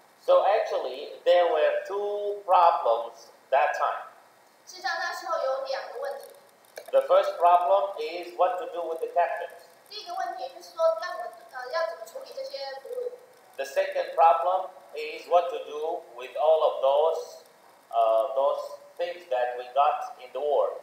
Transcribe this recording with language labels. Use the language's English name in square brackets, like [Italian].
[English] So actually, there were two problems that time. [Chinese] 事实上，那时候有两个问题。 [English] The first problem is what to do with the captives. [Chinese] 第一个问题就是说，要怎么处理这些俘虏。 [English] The second problem is what to do with all of those things that we got in the war.